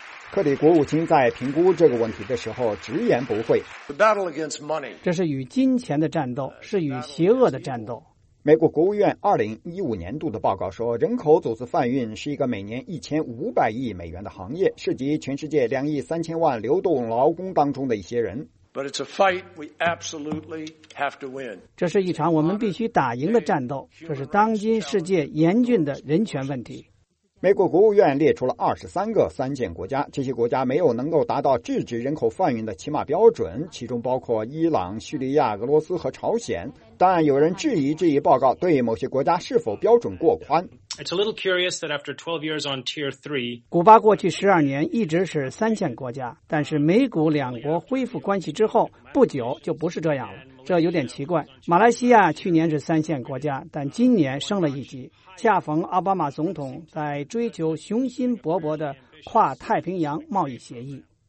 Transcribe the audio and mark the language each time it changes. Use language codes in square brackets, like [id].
[zh] 克里国务卿在评估这个问题的时候直言不讳，这是与金钱的战斗，是与邪恶的战斗。美国国务院2015年度的报告说，人口走私贩运是一个每年1500亿美元的行业，涉及全世界2亿3000万流动劳工当中的一些人。 [en] But it's a fight we absolutely have to win. [zh] 这是一场我们必须打赢的战斗，这是当今世界严峻的人权问题。美国国务院列出了23个三线国家，这些国家没有能够达到制止人口贩运的起码标准，其中包括伊朗、叙利亚、俄罗斯和朝鲜。但有人质疑这一报告对某些国家是否标准过宽。 [en] It's a little curious that after 12 years on Tier 3, [zh] 古巴过去12年一直是三线国家，但是美古两国恢复关系之后不久就不是这样了，这有点奇怪。马来西亚去年是三线国家，但今年升了一级。恰逢奥巴马总统在追求雄心勃勃的跨太平洋贸易协议。